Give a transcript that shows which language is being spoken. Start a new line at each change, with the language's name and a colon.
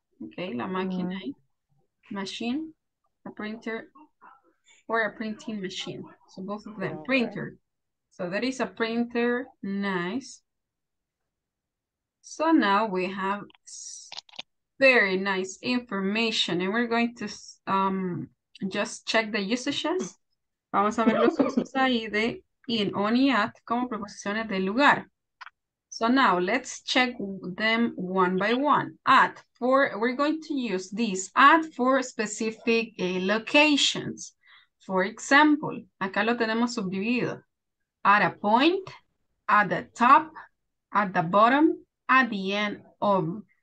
English: Okay,
Spanish: la máquina,
English: machine, a printer or a printing machine. So both of them, printer. So there is a printer, nice. So now we have very nice information, and we're going to just check the usages.
Spanish: Vamos a ver los usos ahí de in, on, y at como preposiciones de lugar.
English: So now let's check them one by one. At, for, we're going to use this at for specific locations. For example,
Spanish: acá lo tenemos subdivido.
English: At a point, at the top, at the bottom, at the end of.